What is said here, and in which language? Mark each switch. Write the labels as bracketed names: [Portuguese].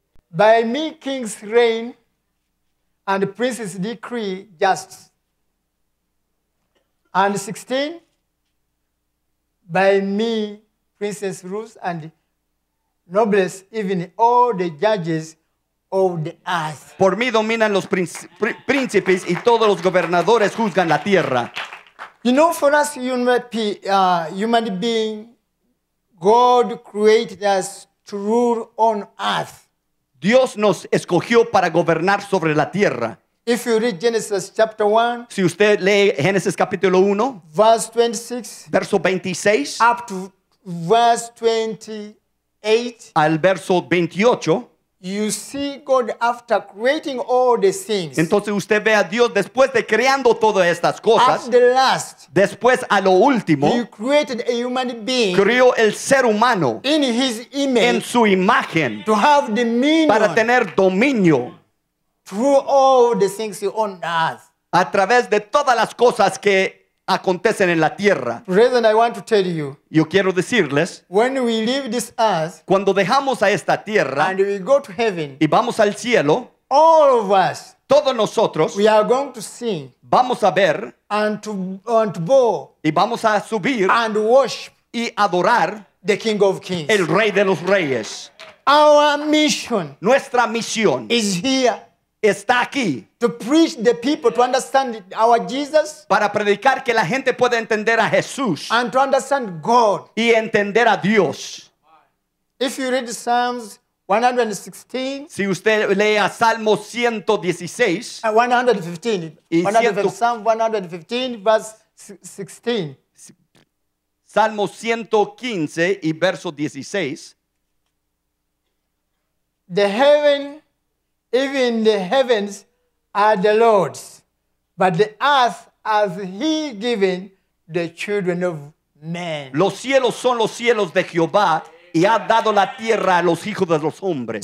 [English] By me kings reign, and princes decree just. And 16. By me princes rules, and nobles, even all the judges, of the earth. [Spanish] Por mí dominan los príncipes y todos los gobernadores juzgan la tierra. [English] You know, for us human being, God created us to rule on earth. [Spanish] Dios nos escogió para gobernar sobre la tierra. [English] If you read Genesis chapter 1, [Spanish] si usted lee Génesis capítulo 1, [English] verse 26, [Spanish] verso 26, [English] up to verse 28, [Spanish] al verso 28, [English] you see God after creating all the things. [Spanish] Entonces usted ve a Dios después de creando todas estas cosas. [English] At the last. [Spanish] Después a lo último. [English] He created a human being. [Spanish] Creó el ser humano. [English] In his image. [Spanish] En su imagen. [English] To have dominion. [Spanish] Para tener dominio. [English] Through all the things on earth. [Spanish] A través de todas las cosas que acontecen en la tierra. [English] Brethren, I want to tell you, [Spanish] yo quiero decirles, [English] when we leave this earth, [Spanish] cuando dejamos a esta tierra [English] and we go to heaven, [Spanish] y vamos al cielo, [English] all of us, [Spanish] todos nosotros, [English] we are going to see, [Spanish] vamos a ver, [English] and to bow, [Spanish] y vamos a subir, [English] and worship, [Spanish] y adorar, [English] the King of Kings, [Spanish] el Rey de los Reyes. [English] Our mission, [Spanish] nuestra misión, [English] is here, [Spanish] está aquí. [English] To preach the people, to understand our Jesus. [Spanish] Para predicar que la gente pueda entender a Jesús. [English] And to understand God. [Spanish] Y entender a Dios. [English] If you read Psalms 116. [Spanish] Si usted lee a Salmo 116. [English] 115, verse 16. [Spanish] Salmo 115 y verso 16. [English] The heaven, even the heavens, are the Lord's, but the earth has he given the children of men. [Spanish] Los cielos son los cielos de Jehová, y ha dado la tierra a los hijos de los hombres.